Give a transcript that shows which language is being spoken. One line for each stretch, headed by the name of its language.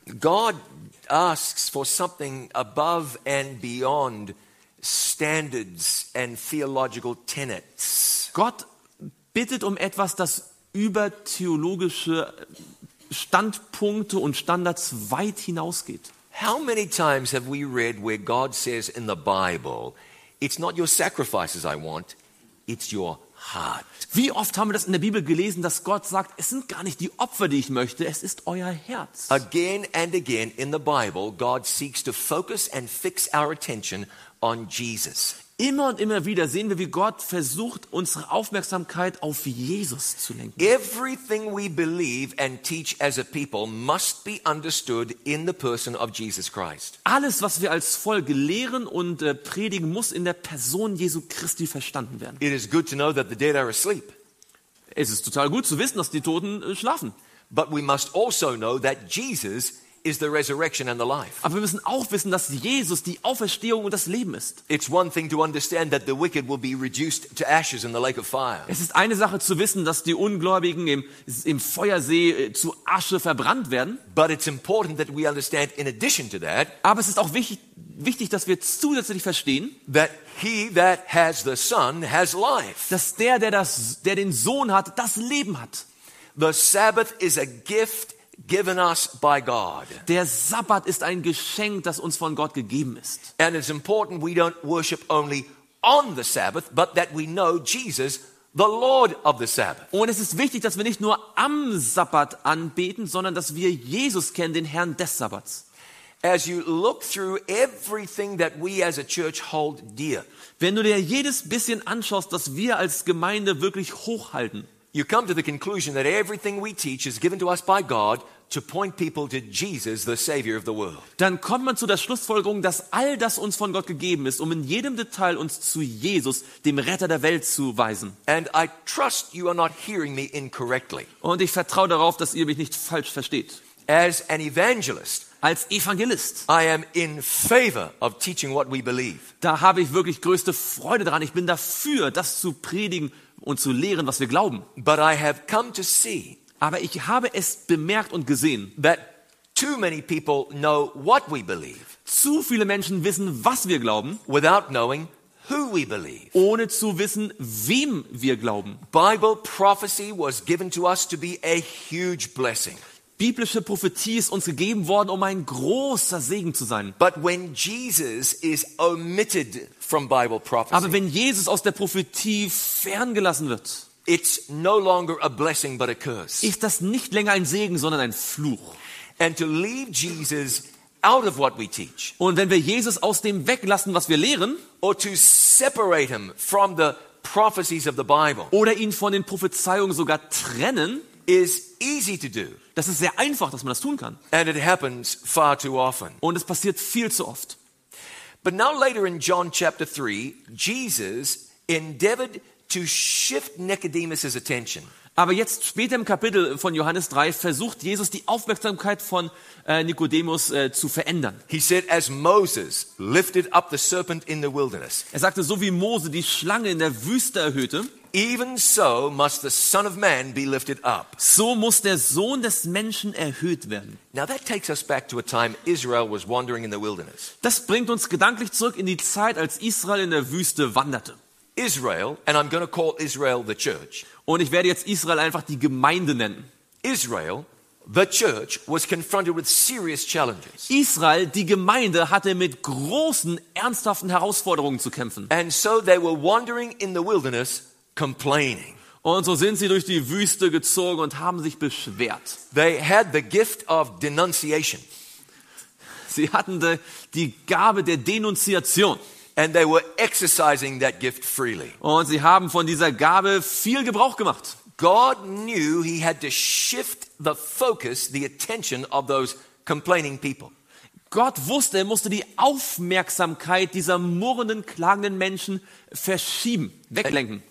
English: God asks for something above and beyond standards and theological tenets.
German: Gott bittet um etwas, das über theologische Standpunkte und Standards weit hinausgeht.
English: How many times have we read where God says in the Bible, it's not your sacrifices I want, it's your heart.
German: Wie oft haben wir das in der Bibel gelesen, dass Gott sagt, es sind gar nicht die Opfer, die ich möchte, es ist euer Herz.
English: Again and again in the Bible, God seeks to focus and fix our attention on Jesus.
German: Immer und immer wieder sehen wir, wie Gott versucht, unsere Aufmerksamkeit auf Jesus zu lenken.
English: Everything we believe and teach as a people must be understood in the person of Jesus Christ.
German: Alles, was wir als Volk lehren und predigen, muss in der Person Jesu Christi verstanden werden.
English: It is good to know that the dead are asleep.
German: Es ist total gut zu wissen, dass die Toten schlafen.
English: But we must also know that Jesus is the resurrection and the life.
German: Aber wir müssen auch wissen, dass Jesus die Auferstehung und das Leben ist.
English: It's one thing to understand that the wicked will be reduced to ashes in the lake of fire.
German: Es ist eine Sache zu wissen, dass die Ungläubigen im Feuersee zu Asche verbrannt werden.
English: But it's important that we understand in addition to that.
German: Aber es ist auch wichtig, dass wir zusätzlich verstehen,
English: that he that has the son has life.
German: Dass der den Sohn hat, das Leben hat.
English: The Sabbath is a gift given us by God.
German: Der Sabbat ist ein Geschenk, das uns von Gott gegeben ist.
English: And it's important we don't worship only on the Sabbath, but that we know Jesus, the Lord of the Sabbath.
German: Und es ist wichtig, dass wir nicht nur am Sabbat anbeten, sondern dass wir Jesus kennen, den Herrn des Sabbats.
English: As you look through everything that we as a church hold dear.
German: Wenn du dir jedes bisschen anschaust, das wir als Gemeinde wirklich hochhalten.
English: You come to the conclusion that everything we teach is given to us by God to point people to Jesus, the Savior of the world.
German: Dann kommt man zu der Schlussfolgerung, dass all das uns von Gott gegeben ist, um in jedem Detail uns zu Jesus, dem Retter der Welt, zu weisen.
English: And I trust you are not hearing me incorrectly.
German: Und ich vertraue darauf, dass ihr mich nicht falsch versteht.
English: As an evangelist,
German: als Evangelist,
English: I am in favor of teaching what we believe.
German: Da habe ich wirklich größte Freude dran. Ich bin dafür, das zu predigen und zu lehren, was wir glauben.
English: But I have come to see,
German: aber ich habe es bemerkt und gesehen,
English: that too many people know what we believe.
German: Zu viele Menschen wissen, was wir glauben,
English: without knowing who we believe.
German: Ohne zu wissen, wem wir glauben.
English: Bible prophecy was given to us to be a huge blessing.
German: Biblische Prophetie ist uns gegeben worden, um ein großer Segen zu sein.
English: But when Jesus is omitted from Bible prophecy,
German: aber wenn Jesus aus der Prophetie ferngelassen wird,
English: it's no longer a blessing but a curse.
German: Ist das nicht länger ein Segen, sondern ein Fluch.
English: And to leave Jesus out of what we teach,
German: und wenn wir Jesus aus dem weglassen, was wir lehren,
English: or to separate him from the prophecies of the Bible,
German: oder ihn von den Prophezeiungen sogar trennen,
English: is easy to do.
German: Das ist sehr einfach, dass man das tun kann.
English: And it happens far too often.
German: Und es passiert viel zu oft.
English: But now later in John chapter 3, Jesus endeavored to shift Nicodemus's attention.
German: Aber jetzt später im Kapitel von Johannes 3 versucht Jesus die Aufmerksamkeit von Nikodemus zu verändern.
English: He said, as Moses lifted up the serpent in the wilderness.
German: Er sagte, so wie Mose die Schlange in der Wüste erhöhte,
English: even so must the Son of Man be lifted up.
German: So muss der Sohn des Menschen erhöht werden.
English: Now that takes us back to a time Israel was wandering in the wilderness.
German: Das bringt uns gedanklich zurück in die Zeit, als Israel in der Wüste wanderte.
English: Israel, and I'm going to call Israel the church.
German: Und ich werde jetzt Israel einfach die Gemeinde nennen.
English: Israel, the church, was confronted with serious challenges.
German: Israel, die Gemeinde, hatte mit großen, ernsthaften Herausforderungen zu kämpfen.
English: And so they were wandering in the wilderness, complaining.
German: Und so sind sie durch die Wüste gezogen und haben sich beschwert.
English: They had the gift of denunciation.
German: Sie hatten die Gabe der Denunziation.
English: And they were exercising that gift freely.
German: Und sie haben von dieser Gabe viel Gebrauch gemacht.
English: God knew he had to shift the focus, the attention of those complaining people.
German: Gott wusste, er musste die Aufmerksamkeit dieser murrenden, klagenden Menschen verschieben, weglenken.